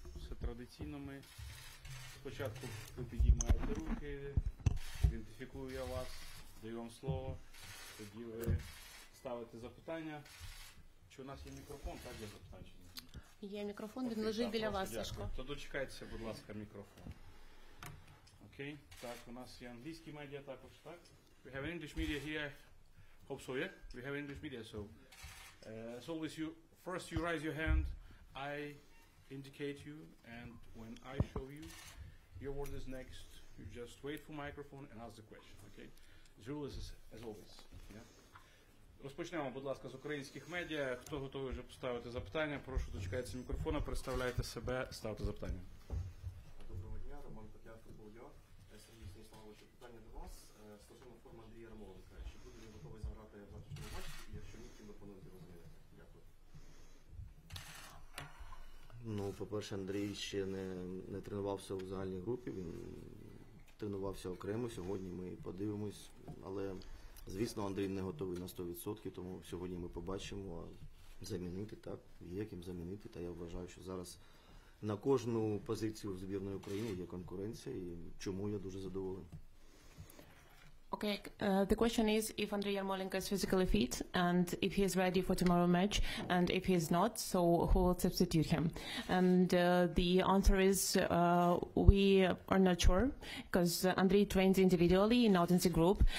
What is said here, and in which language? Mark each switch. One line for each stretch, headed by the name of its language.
Ukrainian: Все традиційно ми спочатку ви підіймаєте руки, ідентифікую я вас, даю вам слово, тоді ви ставите запитання. Чи у нас є мікрофон, так, для запитань чи ні? Є мікрофон, він лежить біля вас, Сашко. То дочекайтеся, будь ласка, мікрофон. Окей, так, у нас є англійські медіа також, так?
English: We have English media here. Hope so, yeah? We have English media, so... As always, you first you raise your hand, I indicate you, and when I show you, your word is next. You just wait for microphone and ask the question, okay? The rule is as always, yeah?
Ukrainian: Розпочнемо, будь ласка, з українських медіа. Хто готовий вже поставити запитання, прошу дочекатися мікрофона, представляйте себе, ставте запитання. Доброго дня, Роман Петлянко, Полдьо. Сергій Станіславович, питання до вас. Стосовно форми Андрія Романка. Чи буде він готовий заграти в завтрашньому матчі? І якщо ні, чим ви плануєте розмінити? Дякую. Ну, по-перше, Андрій ще не тренувався в загальній групі. Він тренувався окремо. Сьогодні ми подивимось, але... Звісно, Андрій не готовий на 100%, тому сьогодні ми побачимо, замінити, так, яким замінити. Та я вважаю, що зараз на кожну позицію збірної України є конкуренція, і чому я дуже задоволений.
English: Okay, the question is if Андрій Ярмоленко is physically fit and if he is ready for tomorrow match and if he is not, so who will substitute him? And the answer is we are not sure because Andrei trains individually, not in the group.